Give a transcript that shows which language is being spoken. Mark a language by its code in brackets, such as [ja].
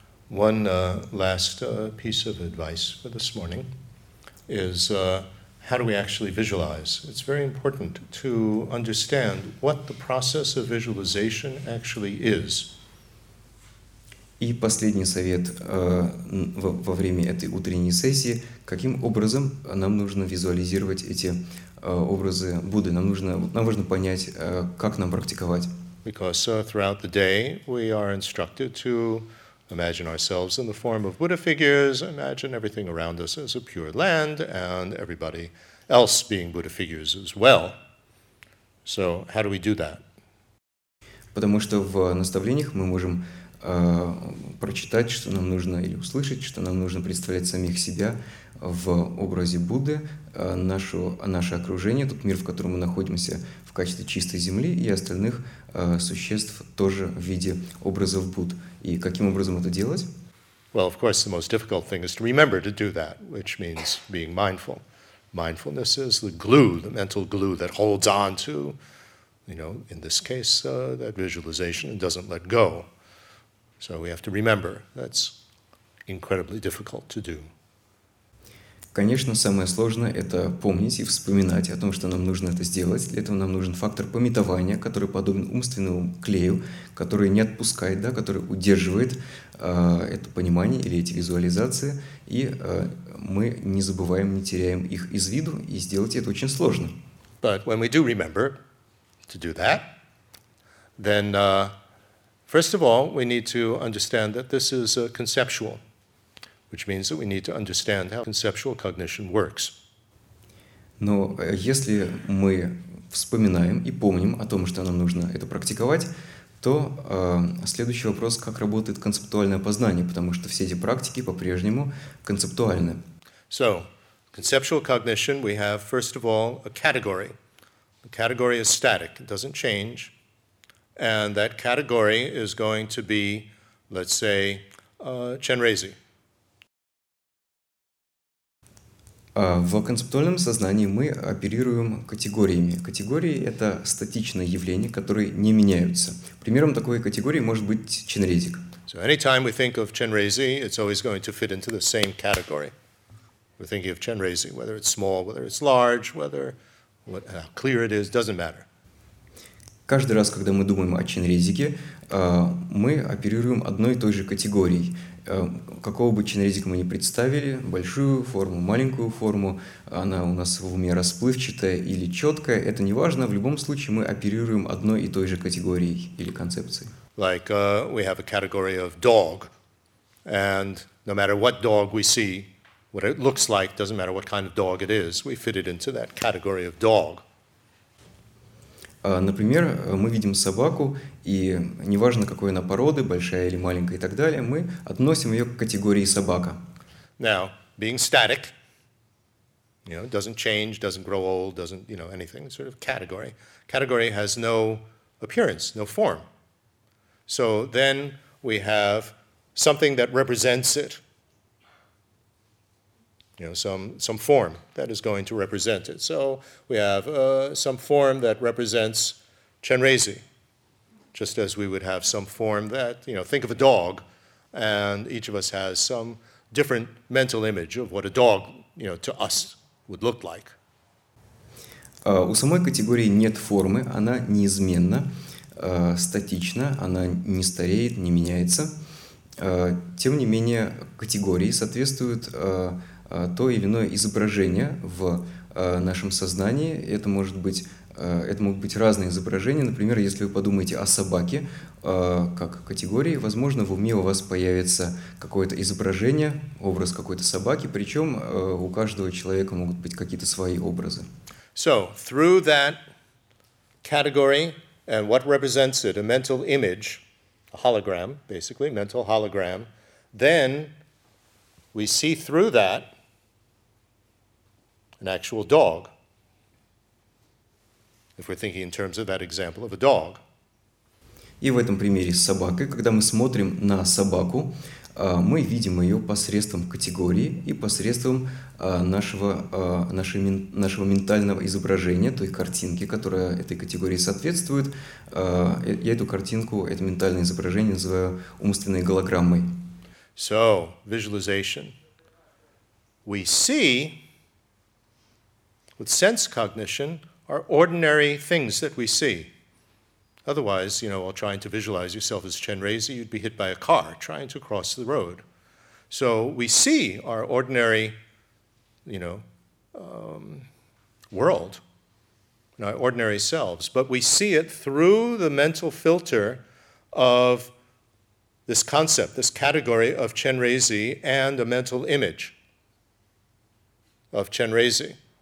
[en] One last piece of advice for this morning is how do we actually visualize? It's very important to understand what the process of visualization actually is. [ru] И последний совет во время этой утренней сессии. Каким образом нам нужно визуализировать эти образы Будды? Нам нужно понять, как нам практиковать. [en] Because throughout the day we are instructed to imagine ourselves in the form of Buddha figures, imagine everything around us as a pure land, and everybody else being Buddha figures as well. So how do we do that? [ru] Потому что в наставлениях мы можем прочитать, что нам нужно, или услышать, что нам нужно представлять самих себя в образе Будды, наше окружение, тот мир, в котором мы находимся, в качестве чистой земли, и остальных существ тоже в виде образов Будд. И каким образом это делать? [en] Well, of course, the most difficult thing is to remember to do that, which means being mindful. Mindfulness is the glue, the mental glue that holds on to, you know, in this case, that visualization and doesn't let go. So we have to remember that's incredibly difficult to do. [ru] Конечно, самое сложное – это помнить и вспоминать о том, что нам нужно это сделать. Для этого нам нужен фактор памятования, который подобен умственному клею, который не отпускает, да, который удерживает это понимание или эти визуализации, и мы не забываем, не теряем их из виду, и сделать это очень сложно. [en] But when we do remember to do that, then first of all, we need to understand that this is conceptual, which means that we need to understand how conceptual cognition works. [ru] Но если мы вспоминаем и помним о том, что нам нужно это практиковать, то следующий вопрос, как работает концептуальное познание, потому что все эти практики по-прежнему концептуальны. [en] So, conceptual cognition, we have, first of all, a category. The category is static, it doesn't change. And that category is going to be, let's say, chenrezig. [ru] В концептуальном сознании мы оперируем категориями. Категории — это статичные явления, которые не меняются. Примером такой категории может быть чэнрэйзи. [en] So anytime we think of чэнрэйзи, it's always going to fit into the same category. We're thinking of чэнрэйзи, whether it's small, whether it's large, whether how clear it is, doesn't matter. [ru] Каждый раз, когда мы думаем о чэнрэйзике, мы оперируем одной и той же категорией. Какого бы чэнрэйзика мы ни представили, большую форму, маленькую форму, она у нас в уме расплывчатая или четкая, это не важно, в любом случае мы оперируем одной и той же категорией или концепцией. [en] Like we have a category of dog, and no matter what dog we see, what it looks like, doesn't matter what kind of dog it is, we fit it into that category of dog. [ru] Например, мы видим собаку, и неважно, какой она породы, большая или маленькая и так далее, мы относим ее к категории собака. [en] Now, being static, you know, doesn't change, doesn't grow old, doesn't, you know, anything, sort of category. Category has no appearance, no form. So then we have something that represents it. You know, some form that is going to represent it. So we have some form that represents chenrezig, just as we would have some form that, you know, think of a dog, and each of us has some different mental image of what a dog, you know, to us would look like. [ru] У самой категории нет формы, она неизменна, статична, она не стареет, не меняется. Тем не менее, категории соответствуют то или иное изображение в нашем сознании. Это могут быть разные изображения. Например, если вы подумаете о собаке как категории, возможно, в уме у вас появится какое-то изображение, образ какой-то собаки, причем у каждого человека могут быть какие-то свои образы. [en] So, through that category and what represents it, a mental image, a hologram, basically, mental hologram, then we see through that an actual dog, if we're thinking in terms of that example of a dog. [ru] И в этом примере с собакой, когда мы смотрим на собаку, мы видим ее посредством категории и посредством нашего ментального изображения, той картинки, которая этой категории соответствует. Я эту картинку, это ментальное изображение называю умственной голограммой. [en] So, visualization. We see with sense cognition are ordinary things that we see. Otherwise, you know, while trying to visualize yourself as Chenrezig, you'd be hit by a car trying to cross the road. So we see our ordinary, you know, world, and our ordinary selves, but we see it through the mental filter of this concept, this category of Chenrezig, and a mental image of Chenrezig.